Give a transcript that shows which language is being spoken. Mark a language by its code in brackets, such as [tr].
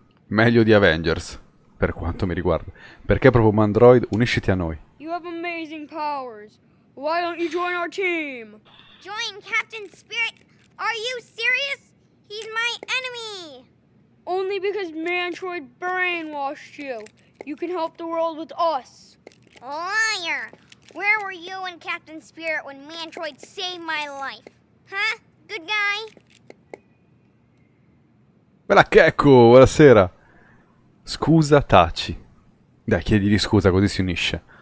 [it] Meglio di Avengers, per quanto mi riguarda. Perché proprio Mandroid, unisciti a noi. [en] You have amazing powers. Why don't you join our team? Join Captain Spirit? Are you serious? He's my enemy. Only because Mantroid brainwashed you. You can help the world with us. Liar. Where were you and Captain Spirit when Mantroid saved my life? Huh? Good guy. [it] Bella Checco, buonasera. Scusa, taci. Dai, chiedigli scusa, così si unisce.